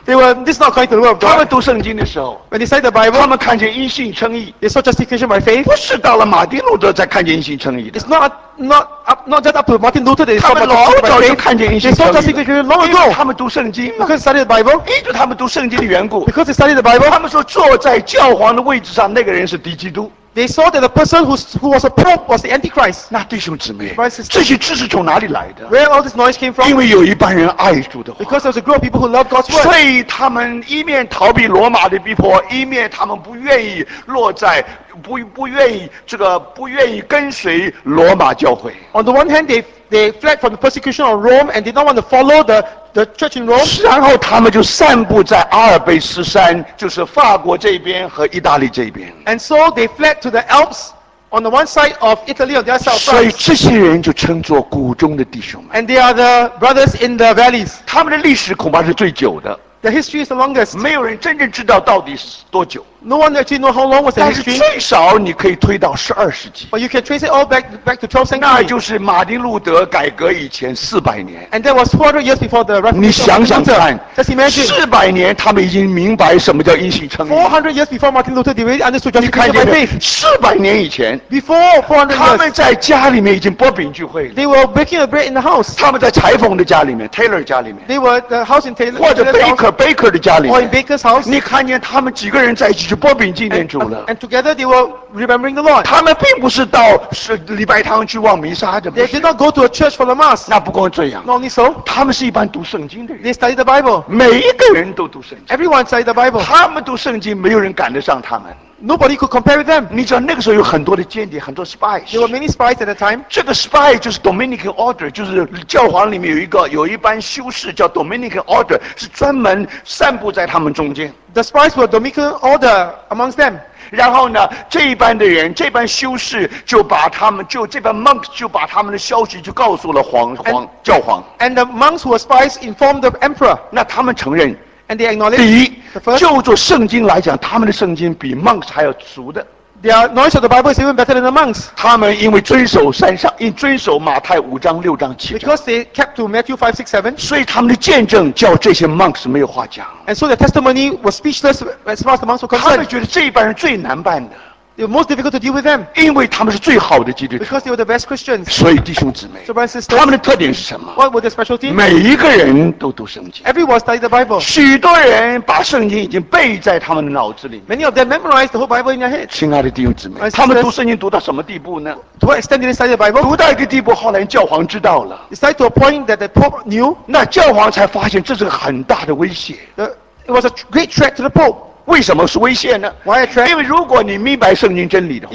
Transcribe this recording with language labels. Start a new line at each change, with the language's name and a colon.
English: This is not according to the word of God.
Chinese: 他们读圣经的时候
English: ，When they studied the Bible,
Chinese: 他们看见因信称义。
English: They saw justification by faith.
Chinese: 不是到了马丁路德才看见因信称义的。
English: It's not just up to Martin Luther. They saw justification by faith. They saw justification long ago.
Chinese: 他们读圣经。
English: Because they studied the Bible.
Chinese: 因着他们读圣经的缘故。
English: Because they studied the Bible.
Chinese: 他们说坐在教皇的位置上那个人是敌基督。
English: They saw that the person who was a pope was the Antichrist.
Chinese: 那弟兄姊妹，这些知识从哪里来的
English: ？Where all this noise came from?
Chinese: 因为有一帮人爱主的话。
English: Because there's a group of people who love God's word.
Chinese: 所以他们一面逃避罗马的逼迫，一面他们不愿意落在不愿意跟随罗马教会。
English: On the one hand, they fled from the persecution of Rome and did not want to follow the church in Rome.
Chinese: 然后他们就散布在阿尔卑斯山，就是法国这边和意大利这边。
English: And so they fled to the Alps on the one side of Italy, on the other side of France.
Chinese: 所以这些人就称作谷中的弟兄们。
English: And they are the brothers in the valleys.
Chinese: 他们的历史恐怕是最久的。
English: The history is the longest.
Chinese: 没有人真正知道到底是多久。
English: No one actually knows how long was the history.
Chinese: 但是最少你可以推到12世纪。
English: But you can trace it all back to 12th century.
Chinese: 那就是马丁路德改革以前400年。
English: And that was 400 years before the Reformation.
Chinese: 你想想看
English: ，Just imagine.
Chinese: 400年，他们已经明白什么叫因信称义。
English: 400 years before Martin Luther, they really understood justification by faith.
Chinese: 400年以前
English: ，Before 400 years.
Chinese: 他们在家里面已经擘饼聚会。
English: They were breaking a bread in the house.
Chinese: 他们在裁缝的家里面 ，Taylor 家里面。
English: They were the house in Taylor.
Chinese: 或者 Baker 的家里面。
English: Or in Baker's house.
Chinese: 你看见他们几个人在一起擘饼纪念主了。
English: And together they were remembering the Lord.
Chinese: 他们并不是到礼拜堂去望弥撒的。
English: They did not go to a church for the mass.
Chinese: 那不光这样。
English: Not only so.
Chinese: 他们是一般读圣经的人。
English: They studied the Bible.
Chinese: 每一个人都读圣经。
English: Everyone studied the Bible.
Chinese: 他们读圣经，没有人赶得上他们。
English: Nobody could compare with them.
Chinese: 你知道那个时候有很多的间谍，很多 spies.
English: There were many spies at the time.
Chinese: 这个 spy 就是 Dominican Order， 就是教皇里面有一班修士叫 Dominican Order， 是专门散布在他们中间。
English: The spies were Dominican Order amongst them.
Chinese: 然后呢，这一班的人，这班修士就把他们，就这班 monks 就把他们的消息就告诉了教皇。
English: And the monks who were spies informed the emperor.
Chinese: 那他们承认。
English: And they acknowledge.
Chinese: 第一，就做圣经来讲，他们的圣经比 monks 还要熟的。
English: Their knowledge of the Bible is even better than the monks.
Chinese: 他们因为遵守山上，因遵守马太五章六章七章。
English: Because they kept to Matthew 5, 6, 7.
Chinese: 所以他们的见证叫这些 monks 没有话讲。
English: And so their testimony was speechless as far as the monks were concerned.
Chinese: 他们觉得这一帮人最难办的。
English: They were most difficult to deal with them.
Chinese: 因为他们是最好的基督徒。
English: Because they were the best Christians.
Chinese: 所以弟兄姊妹。
English: So brothers and sisters.
Chinese: 他们的特点是什么
English: ？What were their specialty?
Chinese: 每一个人都读圣经。
English: Everyone studied the Bible.
Chinese: 许多人把圣经已经背在他们的脑子里。
English: Many of them memorized the whole Bible in their head.
Chinese: 亲爱的弟兄姊妹，他们读圣经读到什么地步呢
English: ？To what extent did they study the Bible?
Chinese: 读到一个地步，后来教皇知道了。
English: It's like to a point that the Pope knew.
Chinese: 那教皇才发现这是个很大的威胁。
English: It was a great threat to the Pope.
Chinese: 为什么是威胁呢？因为如果你明白圣经真理的话，